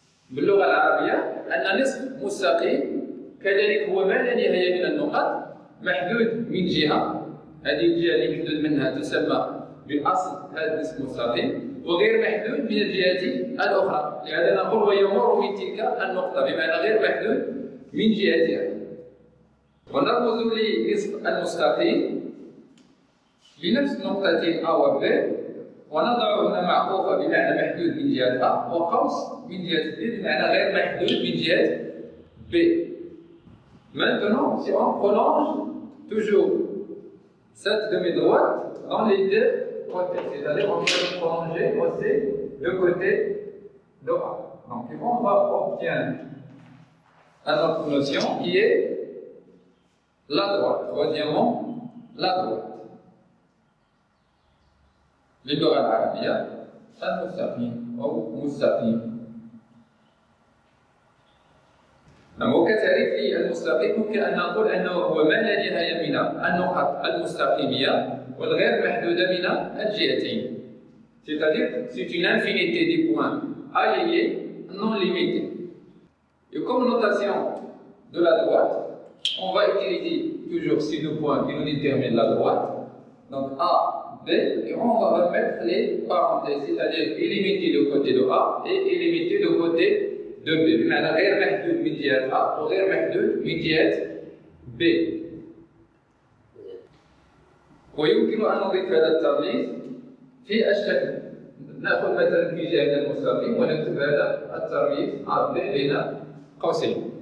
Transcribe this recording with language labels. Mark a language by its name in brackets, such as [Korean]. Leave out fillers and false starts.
[Arabic] باللغة العربية أن نصف مستقيم كذلك هو ما لا نهاية من النقاط محدود من جهة. هذه الجهة اللي محدود منها تسمى بأصل هذا النصف المستقيم وغير محدود من الجهة الأخرى. لهذا نقول ويمر من تلك النقطة بمعنى غير محدود من جهتها. ونرمز لنصف المستقيم بنفس نقطتين A و B ونضع هنا معقوفة بمعنى محدود من جهة A وقوس من جهة B بمعنى غير محدود من جهة B. [French] Maintenant, si on prolonge toujours cette demi-droite dans les deux côtés, c'est-à-dire on va prolonger aussi le côté de A. Donc on va obtenir notre notion qui est la droite. Troisièmement, la droite. [Arabic] باللغة العربية المستقيم أو مستقيم. أما كتعريف المستقيم يمكن أن نقول أنه هو ما لا نهاية من النقط المستقيمية والغير محدودة من الجهتين. [French] C'est-à-dire, c'est une infinité de points alignés non limités. Et comme notation de la droite, on va utiliser toujours ces deux points qui nous déterminent la droite. Donc A, B, et on va remettre les parenthèses, c'est-à-dire illimité de côté de A et illimité de côté de B. [Arabic] بمعنى غير محدود من جهة A وغير محدود من جهة B. ويمكن أن نضيف هذا التعريف في الشكل. نأخذ مثلا في جهة المستقيم ونكتب هذا التعريف AB بين قوسين.